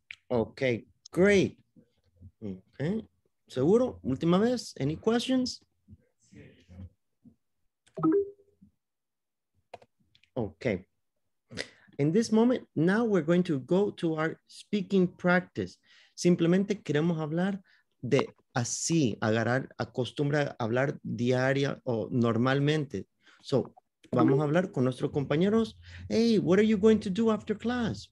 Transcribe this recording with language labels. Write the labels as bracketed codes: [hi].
[en] Okay, great. Okay. [es] Seguro, última vez. [en] Any questions? Okay. In this moment, now we're going to go to our speaking practice. [es] Simplemente queremos hablar de así, agarrar, acostumbra a hablar diaria o normalmente. So, vamos a hablar con nuestros compañeros. [en] Hey, what are you going to do after class?